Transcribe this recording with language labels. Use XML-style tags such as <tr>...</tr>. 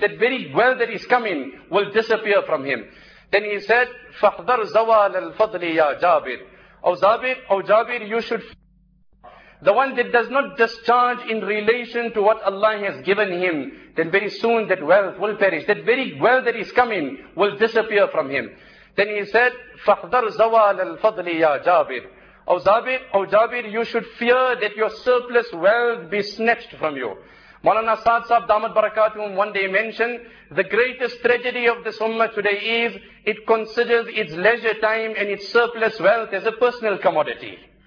<en>That very wealth that is coming will disappear from him. Then he said,</en> <ar>فَاحْذَرْ زَوَالَ الْفَضْلِ يَا جَابِرِ.</ar> <en>O Jabir, you should. The one that does not discharge in relation to what Allah has given him, then very soon that wealth will perish. That very wealth that is coming will disappear from him. Then he said,</en> <ar>فَحْذَرْ زَوَالَ الْفَضْلِ يَا جَابِرِ.</ar> <en>O Jabir, you should fear that your surplus wealth be snatched from you. Maulana Saad Sahib Damat Barakatum one day mentioned, the greatest tragedy of this ummah today is, it considers its leisure time and its surplus wealth as a personal commodity.</en>